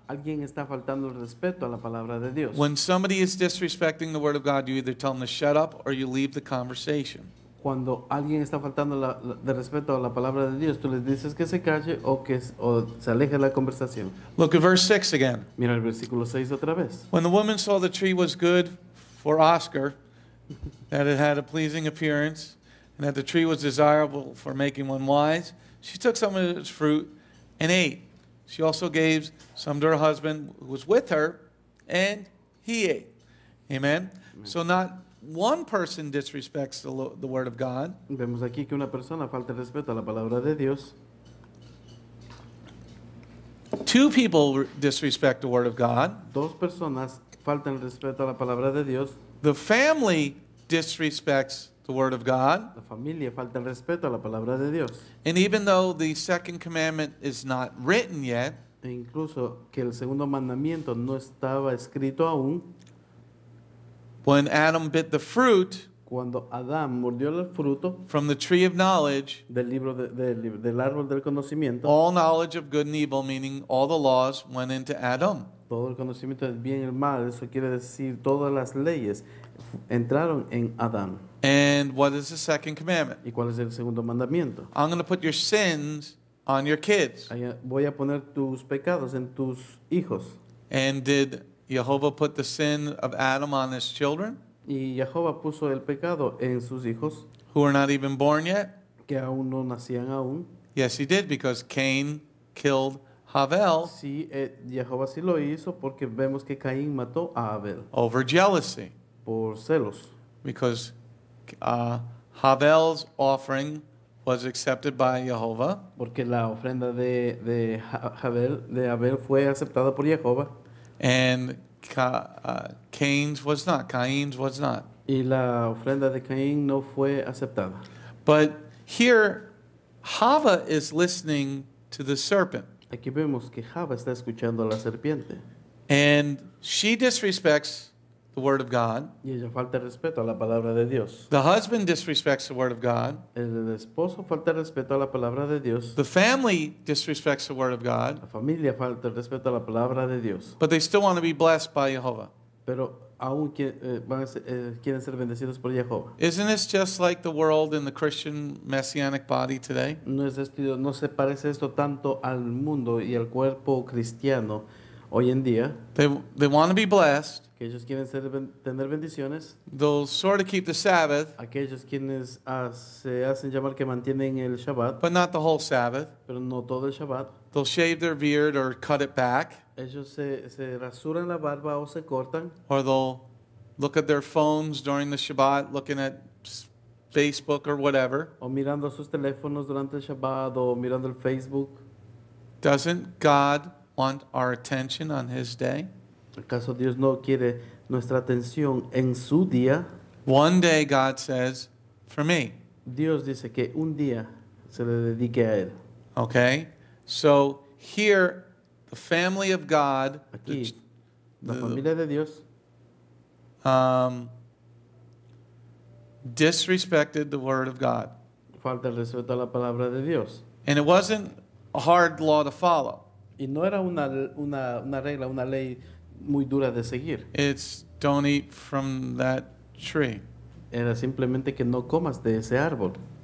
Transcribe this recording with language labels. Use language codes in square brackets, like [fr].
[es] Alguien está faltando el respeto a la palabra de Dios. [en] When somebody is disrespecting the word of God, you either tell them to shut up or you leave the conversation. [es] Cuando alguien está faltando de respeto a la palabra de Dios, tú les dices que se calle o se aleje de la conversación. [en] Look at verse 6 again. [es] Mira el versículo 6 otra vez. [en] When the woman saw the tree was good for Oscar, that it had a pleasing appearance, and that the tree was desirable for making one wise, she took some of its fruit and ate. She also gave some to her husband who was with her, and he ate. Amen? Amen. So not one person disrespects the word of God. [es] Vemos aquí que una persona falta respeto a la palabra de Dios. [en] Two people disrespect the word of God. [es] Dos personas faltan respeto a la palabra de Dios. [en] The family disrespects the word of God. [es] La familia falta el respeto a la palabra de Dios. [en] And even though the second commandment is not written yet, [es] e incluso que el segundo mandamiento no estaba escrito aún, [en] when Adam bit the fruit, [es] cuando Adam mordió el fruto, [en] from the tree of knowledge, [es] del libro del árbol del conocimiento, [en] all knowledge of good and evil, meaning all the laws, went into Adam. [es] Todo el conocimiento del bien y el mal, eso quiere decir todas las leyes, entraron en Adam. [en] And what is the second commandment? [es] ¿Y cuál es el segundo mandamiento? [en] I'm going to put your sins on your kids. [es] Voy a poner tus pecados en tus hijos. [en] And did Jehovah put the sin of Adam on his children? [es] ¿Y Jehovah puso el pecado en sus hijos? [en] Who are not even born yet? [es] Que aún no nacían aún. [en] Yes, he did, because Cain killed Havel. [es] Sí, Jehovah sí lo hizo porque vemos que Caín mató a Abel. [en] Over jealousy. [es] Por celos. [en] Because Havel's offering was accepted by Jehovah. [es] Porque la ofrenda de Havel, de Abel, fue aceptada por Jehovah. [en] And Cain's was not. Caín's was not. [es] Y la ofrenda de Caín no fue aceptada. [en] But here, Hava is listening to the serpent. [es] Aquí vemos que Hava está escuchando a la serpiente. [en] And she disrespects the word of God. [es] Y ella falta respeto a la palabra de Dios. [en] The husband disrespects the word of God. [es] El esposo falta respeto a la palabra de Dios. [en] The family disrespects the word of God. [es] La familia falta respeto a la palabra de Dios. [en] But they still want to be blessed by Jehovah. [es] Pero aún quieren ser bendecidos por Jehovah. [en] Isn't this just like the world in the Christian messianic body today? [es] No se parece esto tanto al mundo y al cuerpo cristiano hoy en día. [en] They want to be blessed. [es] Aquellos quieren tener bendiciones. [en] They'll sort of keep the Sabbath. [es] Aquellos quienes se hacen llamar que mantienen el Shabbat. [en] But not the whole Sabbath. [es] Pero no todo el Shabbat. [en] They'll shave their beard or cut it back. [es] Ellos se rasuran la barba o se cortan. [en] Or they'll look at their phones during the Shabbat, looking at Facebook or whatever. [es] O mirando sus teléfonos durante el Shabbat o mirando el Facebook. [en] Doesn't God want our attention on His day? [es] ¿Acaso Dios no quiere nuestra atención en su día? [en] One day God says, for me. [es] Dios dice que un día se le dedique a él. [en] Okay? So here, the family of God. [es] Aquí, la familia de Dios. [en] Disrespected the word of God. [es] Falta el respeto a la palabra de Dios. [en] And it wasn't a hard law to follow. [es] Y no era una regla, una ley muy dura de seguir. [en] It's don't eat from that tree. [es] Era simplemente que no comas de ese árbol.